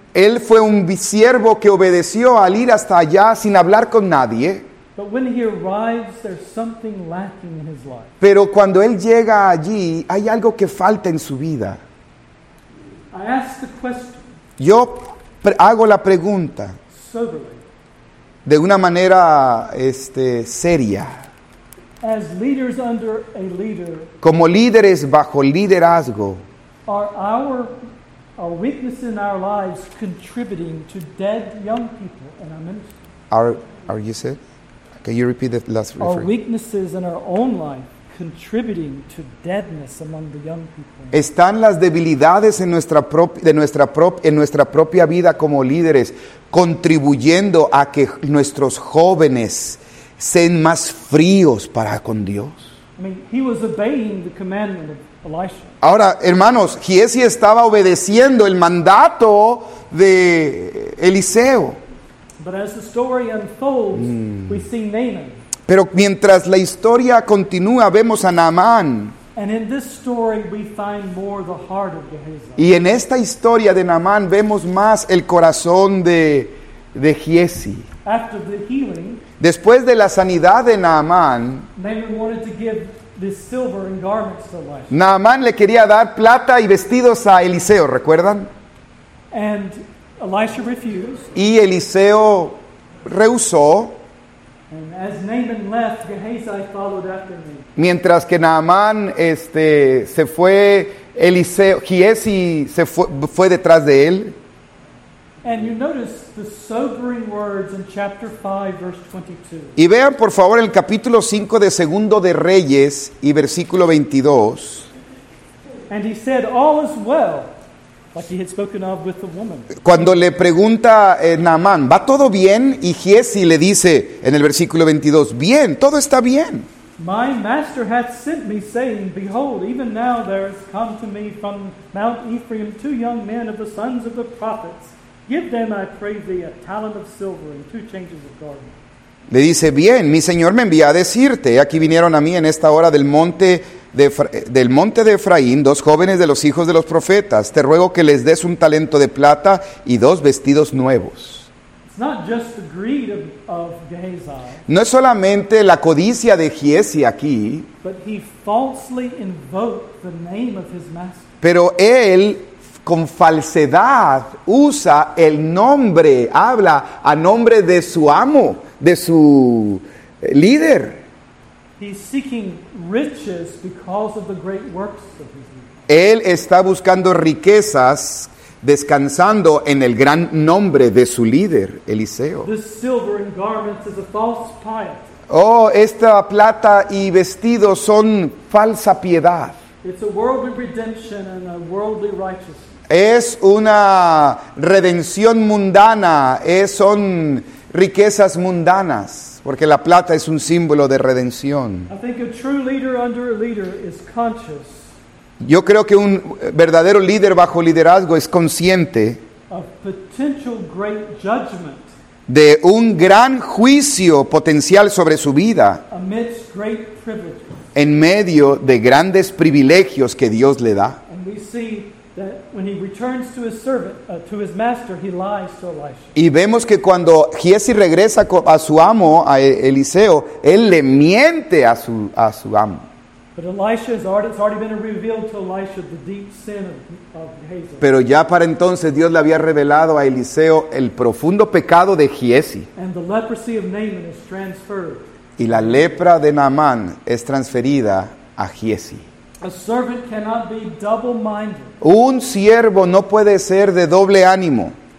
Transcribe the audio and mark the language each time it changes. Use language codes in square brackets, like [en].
[es] Él fue un siervo que obedeció al ir hasta allá sin hablar con nadie. [en] But when he arrives, there's something lacking in his life. [es] Pero cuando él llega allí, hay algo que falta en su vida. [en] I ask the question. [es] Yo hago la pregunta. [en] Soberly. [es] De una manera seria. [en] As leaders under a leader, [es] como líderes bajo liderazgo, [en] are our weaknesses in our lives contributing to dead young people in our ministry? Are you said? Can you repeat the last reference? Are weaknesses in our own life contributing to deadness among the young people? [es] ¿Están las debilidades en nuestra propia vida como líderes contribuyendo a que nuestros jóvenes sean más fríos para con Dios? [en] I mean, he was obeying the commandment of Elisha. [es] Ahora, hermanos, Giesi estaba obedeciendo el mandato de Eliseo. [en] But as the story unfolds, we see Naaman. [es] Pero mientras la historia continúa, vemos a Naamán. [en] And in this story, we find more the heart of Gehazi. [es] Y en esta historia de Naamán vemos más el corazón de Giesi. [en] After the healing, [es] Después de la sanidad de Naamán, [en] Naaman wanted to give this silver and garments to Elisha. [es] Naaman le quería dar plata y vestidos a Eliseo, ¿recuerdan? [en] And Elisha refused. [es] Y Eliseo rehusó. [en] And as Naaman left, Gehazi followed after him. [es] Mientras que Naaman se fue, Eliseo, Giesi se fue detrás de él. [en] And you notice the sobering words in chapter 5, verse 22. [es] Y vean por favor el capítulo 5 de Segundo de Reyes y versículo 22. [en] And he said, all is well, like he had spoken of with the woman. [es] Cuando le pregunta Naamán, ¿va todo bien? Y Giesi le dice en el versículo 22, bien, todo está bien. [en] My master hath sent me, saying, behold, even now there has come to me from Mount Ephraim two young men of the sons of the prophets. Give them, I pray thee, a talent of silver and two changes of garments. [es] Le dice, bien, mi señor me envía a decirte, aquí vinieron a mí en esta hora del monte de Efraín, dos jóvenes de los hijos de los profetas. Te ruego que les des un talento de plata y dos vestidos nuevos. [en] It's not just the greed of Gehazi. [es] No es solamente la codicia de Giesi aquí. [en] But he falsely invoked the name of his master. [es] Pero él con falsedad usa el nombre, habla a nombre de su amo, de su líder. [en] He's seeking riches because of the great works of his name. [es] Él está buscando riquezas descansando en el gran nombre de su líder, Eliseo. [en] This silver and garments is a false piety. [es] Oh, esta plata y vestido son falsa piedad. [en] It's a worldly redemption and a worldly righteousness. [es] Es una redención mundana, son riquezas mundanas, porque la plata es un símbolo de redención. [en] I think a true leader under a leader is conscious. [es] Yo creo que un verdadero líder bajo liderazgo es consciente [en] of potential great judgment [es] de un gran juicio potencial sobre su vida [en] amidst great privileges. [es] En medio de grandes privilegios que Dios le da. [en] And we see that when he returns to his servant, to his master, he lies to Elisha. [es] Y vemos que cuando Giesi regresa a su amo, a Eliseo, él le miente a su amo. [en] But Elisha has already, it's already been revealed to Elisha the deep sin of Gehazi. [es] Pero ya para entonces Dios le había revelado a Eliseo el profundo pecado de Giesi. [en] And the leprosy of Naaman is transferred. [es] Y la lepra de Naamán es transferida a Giesi. [en] A servant cannot be double-minded. [es] Un siervo no puede ser de doble ánimo.